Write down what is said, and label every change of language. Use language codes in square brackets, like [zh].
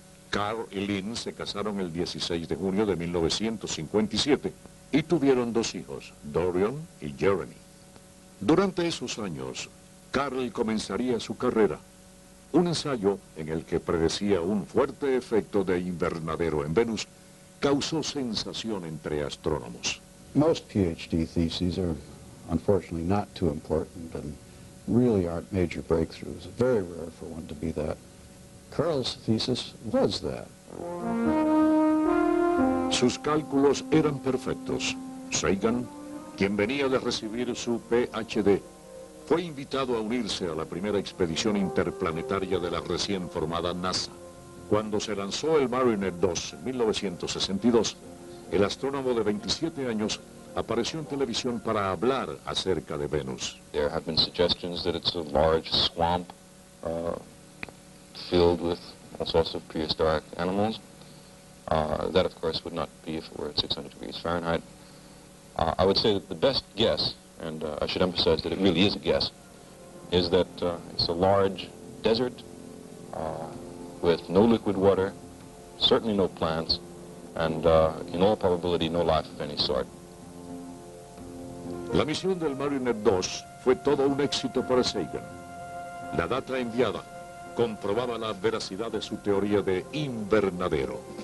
[es] Carl y Lynn se casaron el 16 de junio de 1957 y tuvieron dos hijos, Dorian y Jeremy. Durante esos años, Carl comenzaría su carrera, un ensayo en el que predecía un fuerte efecto de invernadero en Venus causó sensación entre astrónomos. [en] Most PhD theses are unfortunately not too important and really aren't major breakthroughs. Very rare for one to be that. Carl's thesis was that. [es] Sus cálculos eran perfectos. Sagan, quien venía de recibir su PhD, fue invitado a unirse a la primera expedición interplanetaria de la recién formada NASA. Cuando se lanzó el Mariner 2 en 1962, el astrónomo de 27 años apareció en televisión para hablar acerca de Venus. [en] There have been suggestions that it's a large swamp, filled with all sorts of prehistoric animals. That, of course, would not be if it were at 600 degrees Fahrenheit. I would say that the best guess, and I should emphasize that it really is a guess, is that it's a large desert with no liquid water, certainly no plants, and in all probability, no life of any sort. [es] La misión del Mariner 2 fue todo un éxito para Sagan. La data enviada comprobaba la veracidad de su teoría de invernadero.